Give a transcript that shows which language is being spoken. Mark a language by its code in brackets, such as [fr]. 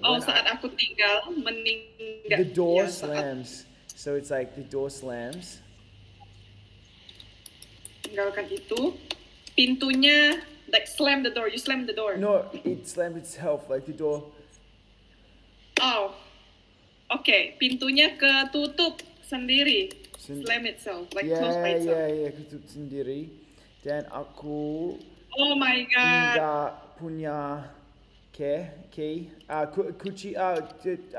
[id] saat aku tinggal, meninggal. [en] The door slams. So it's like the door slams. [id] Tinggalkan itu. [en] Pintunya, like slam the door. You slam the door. No, it slammed itself, like the door. [id] Oh. Okay, pintunya ketutup. [en] Sendiri, slam itself, like close by itself. [id] Yeah, ketutup sendiri. Dan aku tidak punya key, kunci.